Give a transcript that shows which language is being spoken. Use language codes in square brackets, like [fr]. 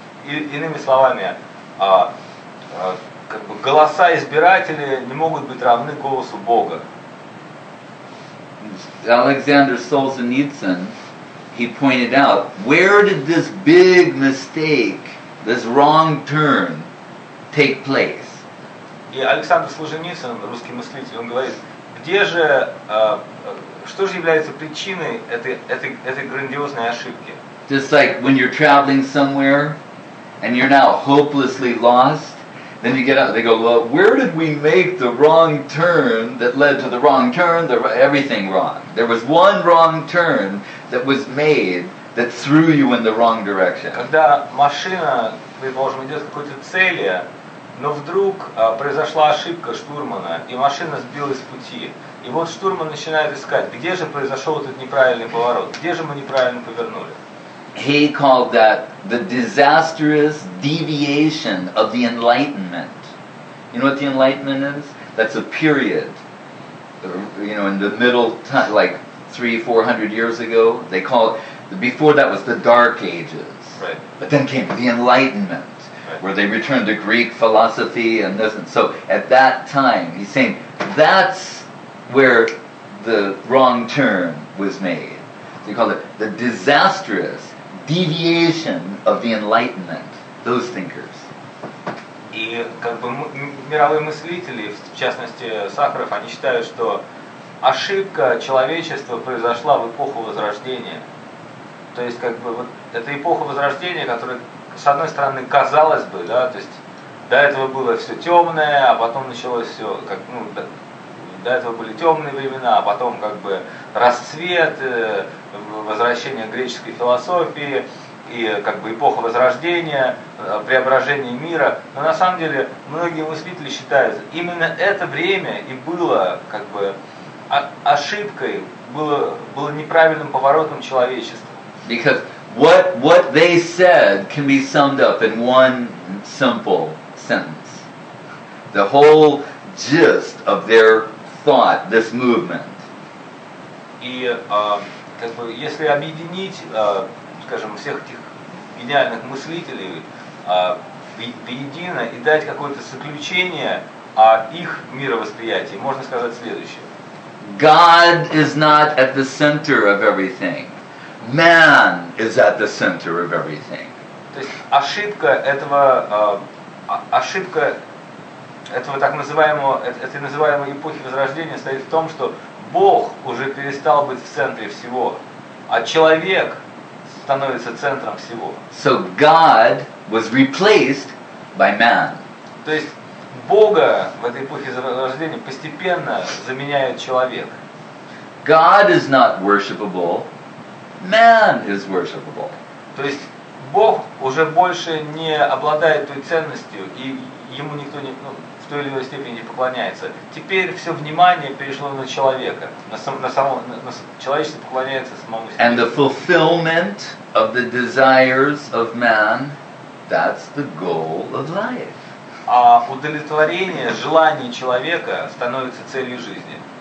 [ru] И, иными словами, как бы голоса избирателей не могут быть равны голосу Бога. [en] Alexander Solzhenitsyn, he pointed out, where did this big mistake, this wrong turn, take place? [ru] И Александр Солженицын, русский мыслитель, он говорит, где же, что же является причиной этой грандиозной ошибки? [en] Just like when you're traveling somewhere, and you're now hopelessly lost, then you get out, they go, well, where did we make the wrong turn that led to the wrong turn, everything wrong? There was one wrong turn that was made that threw you in the wrong direction. [ru] Когда машина, предположим, идет к какой-то цели, но вдруг произошла ошибка штурмана, и машина сбилась с пути. И вот штурман начинает искать, где же произошел этот неправильный поворот, где же мы неправильно повернули. [en] He called that the disastrous deviation of the Enlightenment. You know what the Enlightenment is? That's a period. You know, in the middle time, like 300-400 years ago, they call it, before that was the Dark Ages. Right. But then came the Enlightenment, right, where they returned to Greek philosophy and this. And so at that time, he's saying, that's where the wrong turn was made. So he called it the disastrous deviation of the Enlightenment, those thinkers. [ru] И как бы мировые мыслители, в частности Сахаров, они считают, что ошибка человечества произошла в эпоху Возрождения. То есть как бы вот эта эпоха Возрождения, которая с одной стороны казалось бы, да, то есть до этого было все темное, а потом началось все как ну до этого были темные времена, а потом как бы расцвет, возвращение греческой философии и как бы эпоха Возрождения, преображение мира. Но на самом деле многие мыслители считают, именно это время и было как бы ошибкой, было неправильным поворотом человечества. [en] Because what they said can be summed up in one simple sentence. The whole gist of their thought, this movement. [ru] И как бы, если объединить, скажем, всех этих гениальных мыслителей воедино и дать какое-то заключение о их мировосприятии, можно сказать следующее. [en] God is not at the center of everything. Man is at the center of everything. [ru] То есть ошибка этого, ошибка этого так называемого, этой называемой эпохи Возрождения стоит в том, что Бог уже перестал быть в центре всего, а человек становится центром всего. [en] So God was replaced by man. [ru] То есть Бога в этой эпохе Возрождения постепенно заменяет человек. [en] God is not worshipable. Man is worshipable. [ru] То есть Бог уже больше не обладает той ценностью, и ему никто не, ну, в той или иной степени поклоняется. Теперь все внимание перешло на человека. На человечество поклоняется самому себе. [en] And the fulfillment of the desires of man, that's the goal of life. [ru] А удовлетворение желаний человека становится целью жизни.